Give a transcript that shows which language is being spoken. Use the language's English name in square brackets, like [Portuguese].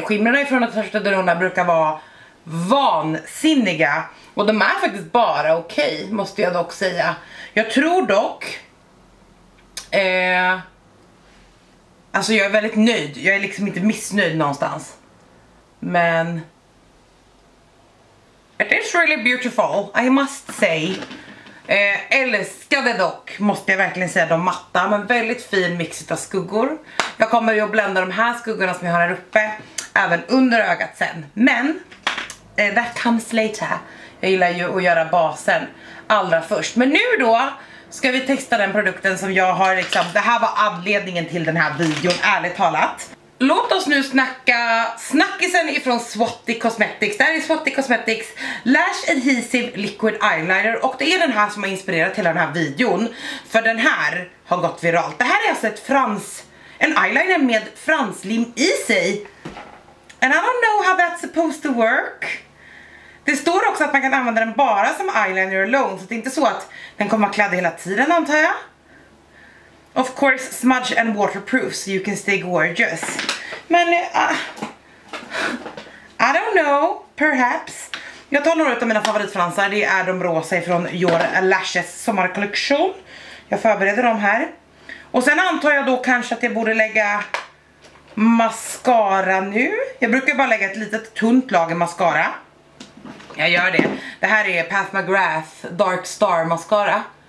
[Swedish] Skimmerna ifrån att första drönarna brukar vara vansinniga. Och de är faktiskt bara okej, måste jag dock säga. Jag tror dock... alltså jag är väldigt nöjd. Jag är liksom inte missnöjd någonstans. Men... [English] it is really beautiful, I must say. [Swedish] Älskade dock, måste jag verkligen säga, de matta, men väldigt fin mix av skuggor. Jag kommer ju att blända de här skuggorna som jag har här uppe, även under ögat sen. Men, [English] that comes later. [Swedish] Jag gillar ju att göra basen allra först. Men nu då, ska vi testa den produkten som jag har liksom, det här var anledningen till den här videon, ärligt talat. Låt oss nu snacka snackisen ifrån Swatty Cosmetics. Det här är Swatty Cosmetics Lash Adhesive Liquid Eyeliner. Och det är den här som har inspirerat hela den här videon. För den här har gått viralt. Det här är alltså ett frans... en eyeliner med franslim i sig. [English] And I don't know how that's supposed to work. [Swedish] Det står också att man kan använda den bara som eyeliner alone. Så det är inte så att den kommer att kladda hela tiden, antar jag. [English] Of course, smudge and waterproof, so you can stay gorgeous. Men, I don't know, perhaps. [Swedish] Jag tar några av mina favoritfransar, det är de rosa från Your Lashes sommarkollektion. Jag förbereder dem här. Och sen antar jag då kanske att jag borde lägga mascara nu. Jag brukar bara lägga ett litet tunt lager mascara. Jag gör det. Det här är Pat McGrath Dark Star mascara.